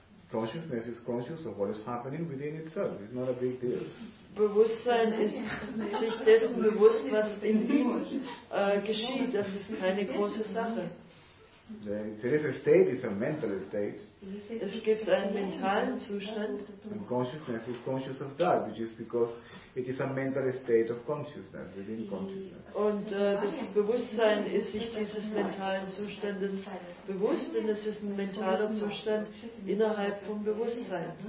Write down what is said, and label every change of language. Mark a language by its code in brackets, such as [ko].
[en] Consciousness is conscious of what is happening within itself. It's not a big deal. [de] Bewusstsein ist sich dessen bewusst, was in ihm geschieht. Das ist keine große Sache. [en] There is a state, it's a mental state. [de] Es gibt einen mentalen Zustand. [en] And consciousness is conscious of that, which is because it is a mental state of consciousness, within consciousness. [de] Und das Bewusstsein ist sich dieses mentalen Zustandes bewusst, denn es ist ein mentaler Zustand innerhalb vom Bewusstsein.